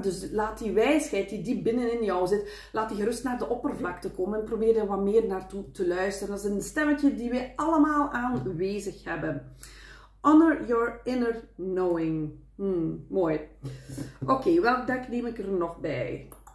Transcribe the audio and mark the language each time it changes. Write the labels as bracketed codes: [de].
[nl] Dus laat die wijsheid die diep binnenin jou zit, laat die gerust naar de oppervlakte komen en probeer er wat meer naartoe te luisteren. Dat is een stemmetje die we allemaal aanwezig hebben. [en] Honor your inner knowing. [nl] Mooi. Oké, welk deck neem ik er nog bij?